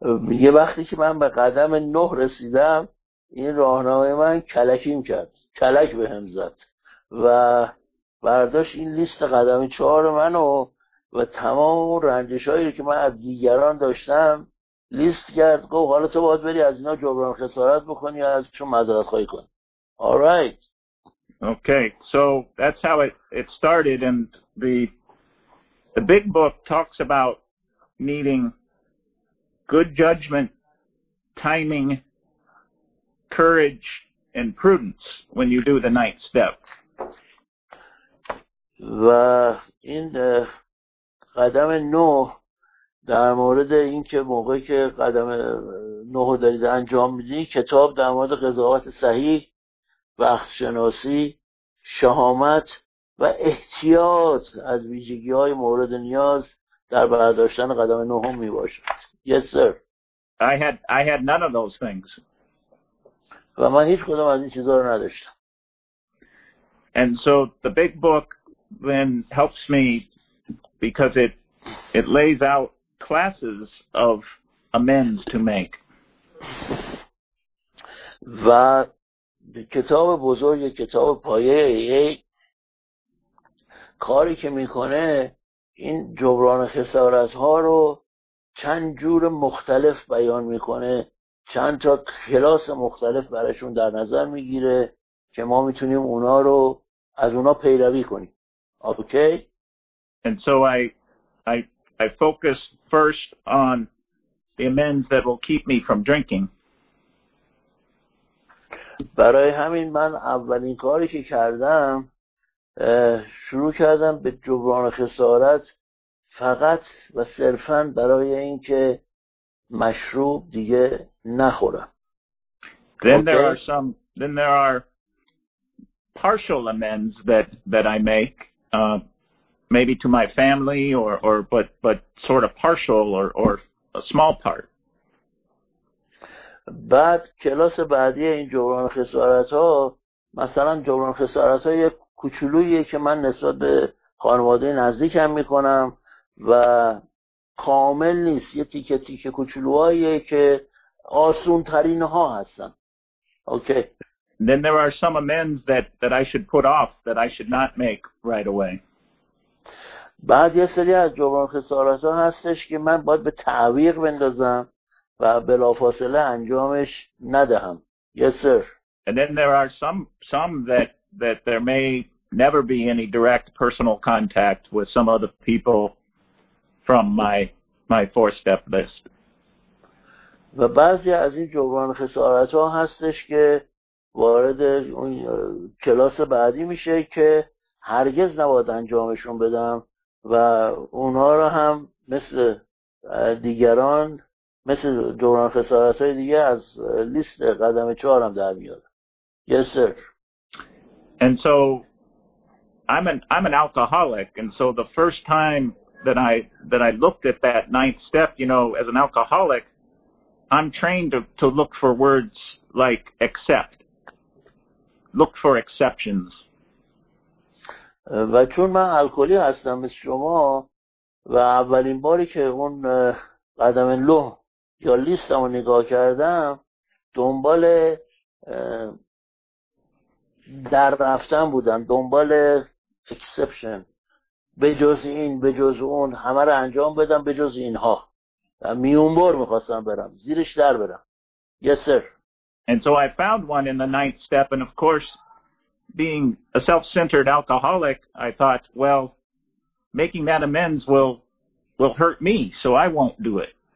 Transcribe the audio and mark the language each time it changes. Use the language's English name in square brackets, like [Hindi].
[Persian] یه وقتی که من به قدم نه رسیدم این راهنمای من کلکیم کرد، کلک به هم زد و برداشت این لیست قدم چهار منو و تمام رنجش هایی که من از دیگران داشتم لیست کرد، گفت حالا تو باید بری از اینا جبران خسارت بکنی یا ازشون معذرت خواهی کن. [English] Alright. Okay, so that's how it started, and the big book talks about needing good judgment, timing, courage, and prudence when you do the ninth step. [Persian] و این قدم نو در مورد اینکه موقعی که قدم نو دارید انجام میدی، کتاب در مورد قضاوت صحیح، وقت شناسی، شهامت و احتیاط از ویژگی‌های مورد نیاز در برداشتن قدم نهم می‌باشد. [English] Yes, sir. I had none of those things. [Persian] و من هیچ کدام از این چیزا رو نداشتم. [English] And so the big book then helps me because it lays out classes of amends to make. [Persian] و کتاب بزرگ، کتاب پایه یک کاری که میکنه این جبران خسارت ها رو چند جور مختلف بیان میکنه، چند تا کلاس مختلف براشون در نظر میگیره که ما میتونیم اونا رو از اونا پیروی کنیم. [English] Okay? And so I focus first on the amends that will keep me from drinking. [Persian] برای همین من اولین کاری که کردم شروع کردم به جبران خسارت فقط و صرفا برای اینکه مشروب دیگه نخورم. [English] Then okay. there are some. Then there are partial amends that I make, maybe to my family or but sort of partial or a small part. [Persian] بعد کلاس بعدی این جبران خسارت ها مثلا جبران خسارت های کوچولویی که من نسبت به خانواده نزدیکم می کنم و کامل نیست، یه تیکه تیکه کوچولوهایی که آسون ترین ها هستن. [English] Okay. Then there are some amends that I should put off that I should not make right away. [Persian] بعد یه سری از جبران خسارت ها هستش که من باید به تعویق بندازم و بلافاصله انجامش ندهم. [English] Yes, sir. And then there are some that there may never be any direct personal contact with some other people from my four-step list. [Persian] و بعضی از این جبران خسارت ها هستش که وارد اون کلاس بعدی میشه که هرگز نباید انجامشون بدم و اونها را هم مثل دیگران مثل دوران خسارت های دیگه از لیست قدم چهارم در میاد. [English] Yes, sir. And so I'm an alcoholic, and so the first time that I looked at that ninth step, you know, as an alcoholic, I'm trained to look for words like except. Look for exceptions. [Persian] و چون من الکلی هستم مثل شما و اولین باری که اون قدم لوح یا لیستمو نگاه کردم دنبال در رفتن بودم، دنبال اکسپشن، به جز این به جز اون همه رو انجام بدم به جز اینها، میونبر میخواستم برم زیرش در برم. [English] Yes, sir. And so I found one in the ninth step, and of course being a self-centered alcoholic I thought, well, making that amends will hurt me, so I won't do it.